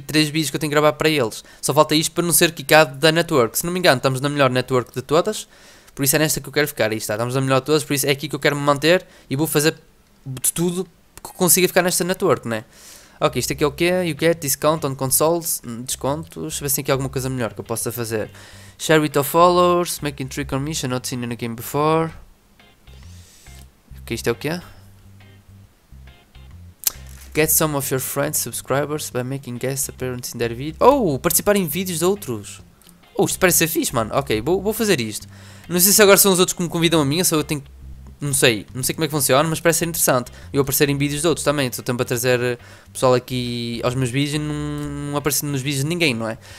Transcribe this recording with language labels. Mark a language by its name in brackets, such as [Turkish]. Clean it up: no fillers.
[Portuguese] 3 vídeos que eu tenho que gravar para eles. Só falta isto para não ser quicado da network. Se não me engano, estamos na melhor network de todas. Por isso é nesta que eu quero ficar. Aí está. Estamos na melhor de todas. Por isso é aqui que eu quero me manter. E vou fazer de tudo que consiga ficar nesta network, né? Ok, isto aqui é o quê? [English] You get discount on consoles, [Portuguese] descontos, deixa eu ver se tem aqui alguma coisa melhor que eu possa fazer. [English] Share with your followers, making trick or mission, not seen in a game before. [Portuguese] Ok, isto é o quê? [English] Get some of your friends, subscribers, by making guest appearances in their videos. [Portuguese] Oh, participar em vídeos de outros. Oh, isto parece ser fixe, mano. Ok, vou fazer isto. Não sei se agora são os outros que me convidam a mim, ou se eu tenho que... Não sei como é que funciona, mas parece ser interessante. Eu aparecer em vídeos de outros também. Estou tempo a trazer pessoal aqui aos meus vídeos e não aparecer nos vídeos de ninguém, não é?